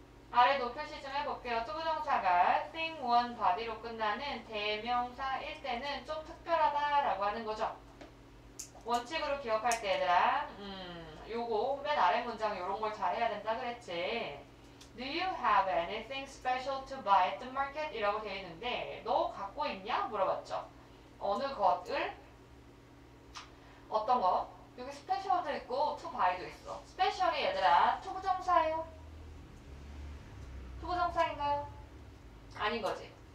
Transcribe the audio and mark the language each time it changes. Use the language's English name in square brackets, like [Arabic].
[Korean] 아래도 표시 좀 해볼게요. 투부정사가 thing, one, body로 끝나는 대명사일 때는 좀 특별하다라고 하는 거죠. 원칙으로 기억할 때, 얘들아, 요거 맨 아래 문장 요런 걸 잘해야 된다 그랬지. [English] Do you have anything special to buy at the market? [Korean] 이라고 되어 있는데 너 갖고 있냐? 물어봤죠. 어느 것을? 어떤 거? 여기 special도 있고 to buy도 있어. special이 얘들아 투부정사예요. 투부정사인가요? 아닌 거지.